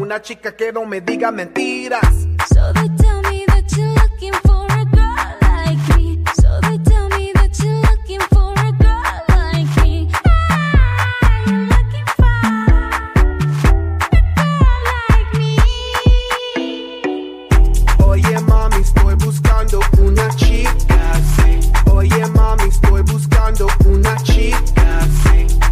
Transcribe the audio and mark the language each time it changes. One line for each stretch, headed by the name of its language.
Spanish: chica que no me diga mentiras.
English: So they tell me that you're looking for a girl like me. So they tell me that you're looking for a girl like me. I'm looking for a girl like me.
Spanish: Oye mami, estoy buscando una chica así. Oye mami, estoy buscando una chica así.